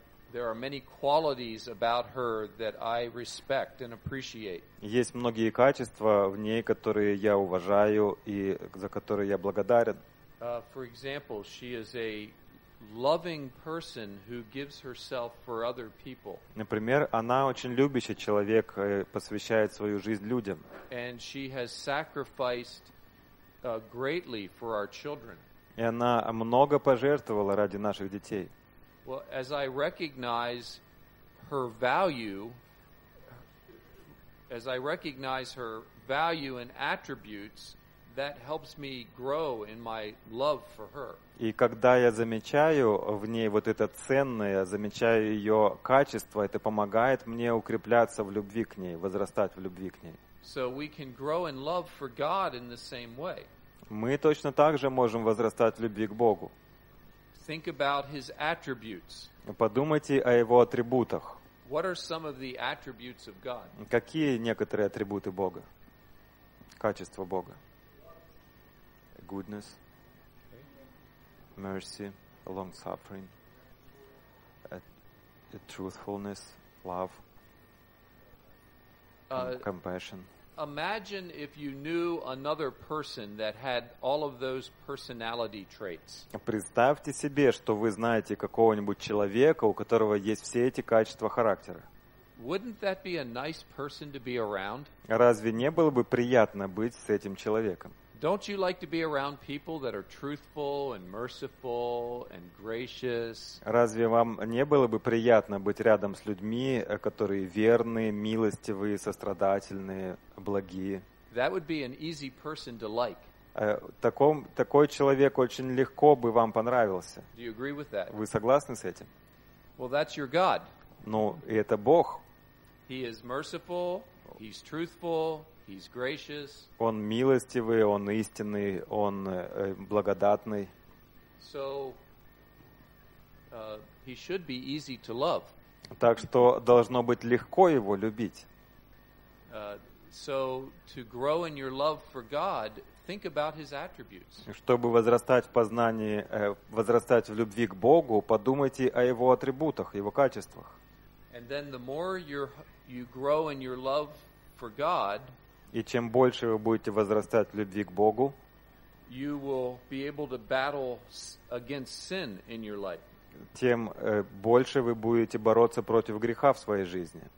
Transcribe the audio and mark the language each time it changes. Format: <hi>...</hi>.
<en>There are many qualities about her that I respect and appreciate.</en> <ru>Есть многие качества в ней, которые я уважаю и за которые я благодарен.</ru> <en>For example, she is a loving person who gives herself for other people.</en> <ru>Например, она очень любящий человек, посвящает свою жизнь людям.</ru> <en>And she has sacrificed greatly for our children.</en> <ru>И она много пожертвовала ради наших детей.</ru> <en>Well, as I recognize her value, and attributes, that helps me grow in my love for her.</en> <ru>И когда я замечаю в ней вот это ценное, замечаю ее качество, это помогает мне укрепляться в любви к ней, возрастать в любви к ней.</ru> <en>So we can grow in love for God in the same way.</en> <ru>Мы точно так же можем возрастать в любви к Богу.</ru> <en>Think about his attributes.</en> <ru>Подумайте о его атрибутах.</ru> <en>What are some of the attributes of God?</en> <ru>Какие некоторые атрибуты Бога? Качества Бога?</ru> <en>Goodness, okay. Mercy, long suffering, truthfulness, love, compassion. Imagine if you knew another person that had all of those personality traits.</en> <ru>Представьте себе, что вы знаете какого-нибудь человека, у которого есть все эти качества характера.</ru> <en>Wouldn't that be a nice person to be around?</en> <ru>Разве не было бы приятно быть с этим человеком?</ru> <en>Don't you like to be around people that are truthful and merciful and gracious?</en> <ru>Разве вам не было бы приятно быть рядом с людьми, которые верные, милостивые, сострадательные, благие?</ru> <en>That would be an easy person to like.</en> <ru>Такой человек очень легко бы вам понравился.</ru> <en>Do you agree with that?</en> <ru>Вы согласны с этим?</ru> <en>Well, that's your God.</en> <ru>Ну, и это Бог.</ru> <en>He is merciful, he's truthful. He's gracious.</en> <ru>Он милостивый, он истинный, он благодатный.</ru> <en>So, he should be easy to love.</en> <ru>Так что должно быть легко его любить.</ru> <en>So, to grow in your love for God, think about his attributes.</en> <ru>Чтобы возрастать в познании, возрастать в любви к Богу, подумайте о его атрибутах, его качествах.</ru> <en>And then the more you grow in your love for God,</en> <ru>и чем больше вы будете возрастать в любви к Богу,</ru> <en>you will be able to battle against sin in your life.</en> <ru>Тем больше вы будете бороться против греха в своей жизни.</ru>